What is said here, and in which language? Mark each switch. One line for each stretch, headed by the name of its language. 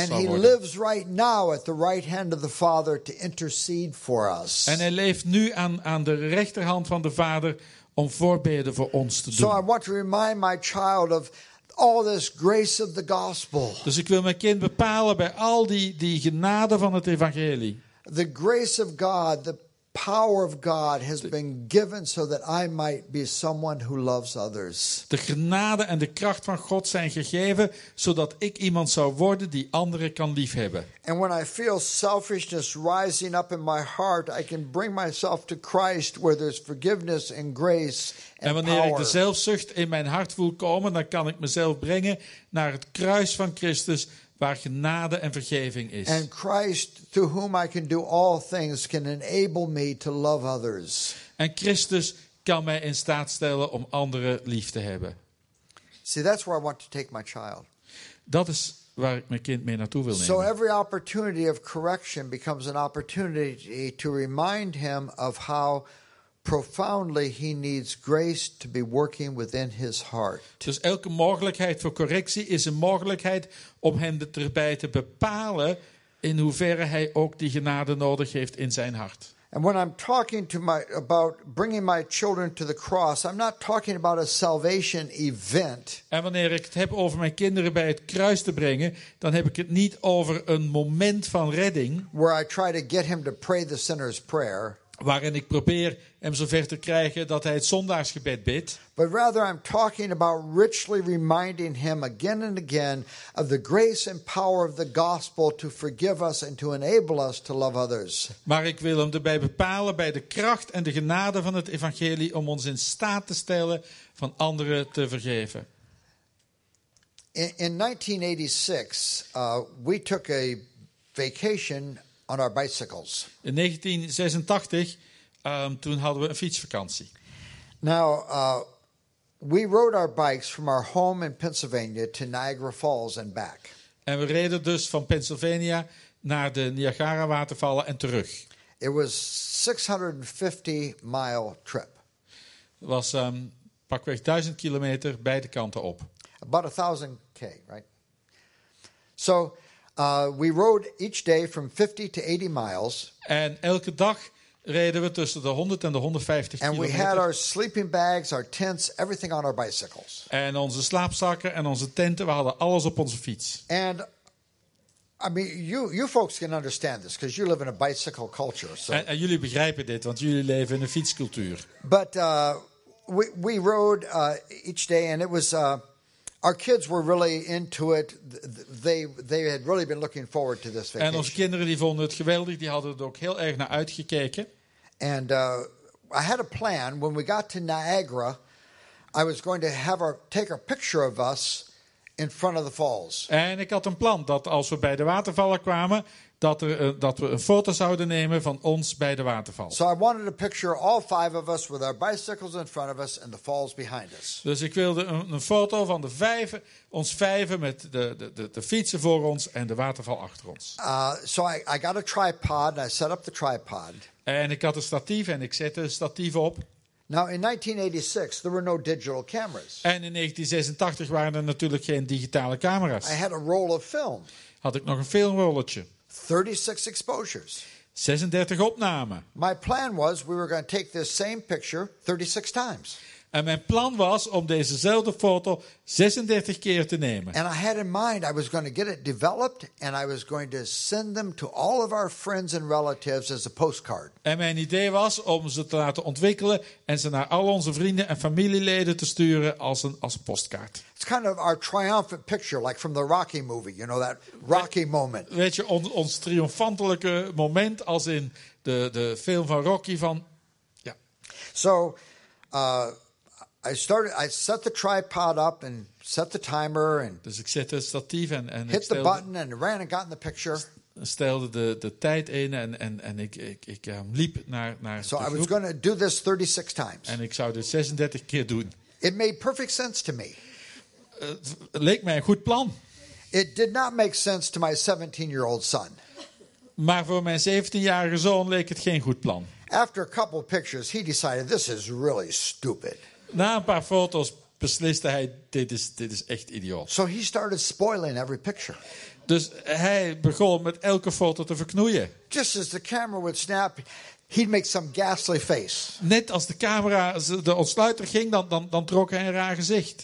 English: and
Dutch: zou worden.
English: And he lives right now at the right hand of the Father to intercede for us.
Dutch: En hij leeft nu aan de rechterhand van de Vader om voorbeden voor ons te doen.
English: So I want to remind my child of all this grace of the gospel.
Dutch: Dus ik wil mijn kind bepalen bij al die genade van het evangelie.
English: The grace of God, the power of God has been given so that I might be someone who loves others.
Dutch: De genade en de kracht van God zijn gegeven zodat ik iemand zou worden die anderen kan liefhebben.
English: And when I feel selfishness rising up in my heart, I can bring myself to Christ where there's forgiveness and grace.
Dutch: En wanneer ik de zelfzucht in mijn hart voel komen, dan kan ik mezelf brengen naar het kruis van Christus waar genade en vergeving is.
English: And Christ, to whom I can do all things, can enable me to love others.
Dutch: En Christus kan mij in staat stellen om anderen lief te hebben.
English: See, that's where I want to take my child.
Dutch: Dat is waar ik mijn kind mee naartoe wil nemen.
English: So every opportunity of correction becomes an opportunity to remind him of how profoundly he needs grace to be working within his heart.
Dutch: Dus elke mogelijkheid voor correctie is een mogelijkheid om hem erbij te bepalen in hoeverre hij ook die genade nodig heeft in zijn hart.
English: And when I'm talking to about bringing my children to the cross, I'm not talking about a salvation event.
Dutch: En wanneer ik het heb over mijn kinderen bij het kruis te brengen, dan heb ik het niet over een moment van redding
English: where I try to get him to pray the sinner's prayer.
Dutch: Waarin ik probeer hem zover te krijgen dat hij het zondaarsgebed bidt.
English: But rather I'm talking about richly reminding him again and again of the grace and power of the gospel to forgive us and to enable us to love others.
Dutch: Maar ik wil hem erbij bepalen bij de kracht en de genade van het evangelie om ons in staat te stellen van anderen te vergeven.
English: In 1986 we took a vacation on our bicycles.
Dutch: In 1986 toen hadden we een fietsvakantie.
English: Now we rode our bikes from our home in Pennsylvania to Niagara Falls and back.
Dutch: En we reden dus van Pennsylvania naar de Niagara watervallen en terug.
English: It was 650 mile trip.
Dutch: Het was pakweg 1000 kilometer beide kanten op.
English: About 1000 k, right? So we rode each day from 50 to 80 miles.
Dutch: En elke dag reden we tussen de 100 en de 150 kilometer.
English: And we had our sleeping bags, our tents, everything on our bicycles.
Dutch: En onze slaapzakken en onze tenten, we hadden alles op onze fiets.
English: And I mean, you folks can understand this because you live in a bicycle culture. So.
Dutch: En jullie begrijpen dit, want jullie leven in een fietscultuur.
English: But we rode each day, and it was our kids were really into it. They had really been looking forward to this vacation.
Dutch: En onze kinderen die vonden het geweldig. Die hadden het ook heel erg naar uitgekeken.
English: And I had a plan. When we got to Niagara, I was going to take a picture of us in front of the falls.
Dutch: En ik had een plan dat als we bij de watervallen kwamen, dat we een foto zouden nemen van ons bij de waterval.
English: So I wanted to picture all five of us with our bicycles in front of us and the falls behind us.
Dutch: Dus ik wilde een foto van de vijf, ons vijven met de fietsen voor ons en de waterval achter ons.
English: So I got a tripod and I set up the tripod.
Dutch: En ik had een statief en ik zette een statief op.
English: Now in 1986 there were no digital cameras.
Dutch: En in 1986 waren er natuurlijk geen digitale camera's.
English: I had a roll of film.
Dutch: Had ik nog een filmrolletje.
English: 36 exposures.
Dutch: 36 opnamen.
English: My plan was we were going to take this same picture 36 times.
Dutch: En mijn plan was om dezezelfde foto 36 keer te nemen.
English: And I had in mind I was going to get it developed and I was going to send them to all of our friends and relatives as a postcard.
Dutch: En mijn idee was om ze te laten ontwikkelen en ze naar al onze vrienden en familieleden te sturen als een postkaart.
English: It's kind of our triumphant picture, like from the Rocky movie, you know, that Rocky moment.
Dutch: Weet je, ons triomfantelijke moment als in de film van Rocky van. Ja.
English: So I set the tripod up and set the timer and
Dutch: dus ik zette het statief en
English: hit the button and ran and got in the picture.
Dutch: Stelde de tijd in en ik liep naar
English: so
Dutch: de
English: I was going to do this 36 times.
Dutch: En ik zou dit 36 keer doen.
English: It made perfect sense to me.
Dutch: Leek mij een goed plan.
English: It did not make sense to my 17-year-old son.
Dutch: Maar voor mijn 17-jarige zoon leek het geen goed plan.
English: After a couple pictures, he decided this is really stupid.
Dutch: Na een paar foto's besliste hij, dit is echt idioot.
English: So he started spoiling every picture.
Dutch: Dus hij begon met elke foto te verknoeien.
English: Just as the camera would snap, he'd make some ghastly face.
Dutch: Net als de camera de ontsluiter ging, dan trok hij een raar gezicht.